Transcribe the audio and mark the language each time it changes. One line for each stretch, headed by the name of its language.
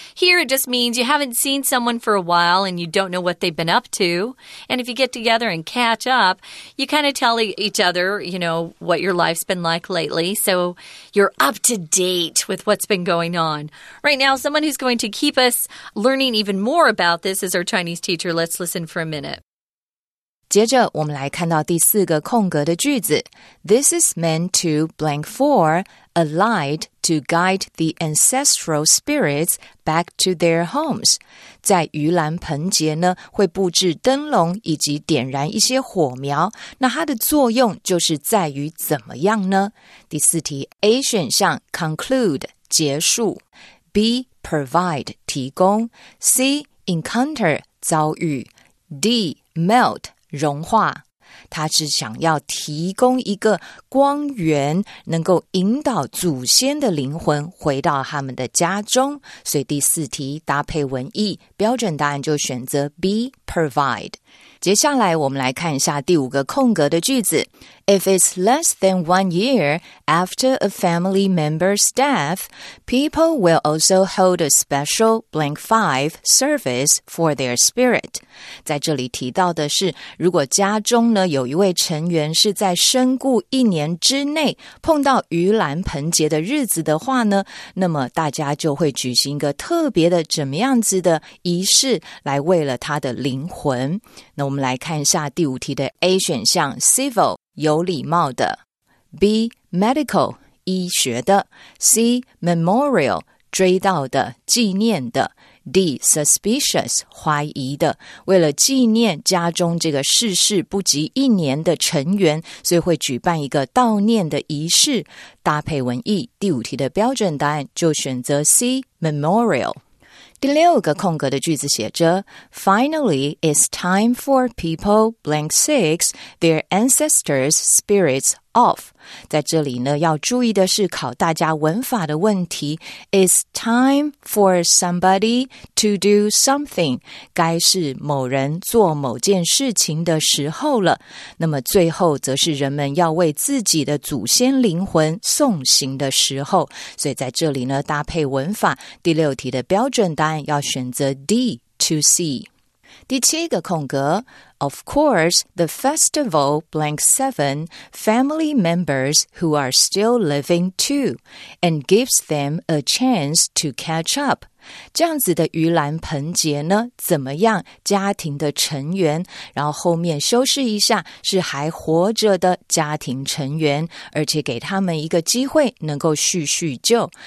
English: Here, it just means you haven't seen someone for a while and you don't know what they've been up to. And if you get together and catch up, you kind of tell each other, you know, what your life's been like lately. So you're up to date with what's been going on. Right now, someone who's going to keep us learning even more about this is our Chinese teacher. Let's listen for a minute.
Chinese: 接着我们来看到第四个空格的句子。
English: This is meant to blank for a light to guide the ancestral spirits back to their homes.
Chinese: 在盂兰盆节呢会布置灯笼以及点燃一些火苗。那它的作用就是在于怎么样呢？第四题 A 选项 conclude 结束 B provide 提供 C encounter 遭遇 D melt融化，他是想要提供一个光源，能够引导祖先的灵魂回到他们的家中。所以第四题搭配文意，标准答案就选择 B provide。接下来我们来看一下第五个空格的句子。
English: If it's less than 1 year after a family member's death, people will also hold a special blank five service for their spirit.
Chinese: 在这里提到的是，如果家中呢有一位成员是在身故一年之内碰到盂兰盆节的日子的话呢，那么大家就会举行一个特别的怎么样子的仪式来为了他的灵魂。那我们来看一下第五题的 A 选项 civil。有礼貌的 B. Medical 医学的 C. Memorial 追悼的纪念的 D. Suspicious 怀疑的为了纪念家中这个逝世不及一年的成员所以会举办一个悼念的仪式搭配文意第五题的标准答案就选择 C.
English: Memorial
Chinese: 第六个空格的句子写着
English: Finally, it's time for people blank six their ancestors' spirits off.
Chinese: 在这里呢要注意的是考大家文法的问题
English: It's time for somebody to do something.
Chinese: 该是某人做某件事情的时候了。那么最后则是人们要为自己的祖先灵魂送行的时候。所以在这里呢搭配文法第六题的标准答案要选择 D to C。第七个空格
English: Of course, the festival blank seven family members who are still living too and gives them a chance to catch up.
Chinese: 这样子的盂兰盆节呢怎么样家庭的成员然后后面修饰一下是还活着的家庭成员而且给他们一个机会能够叙叙旧。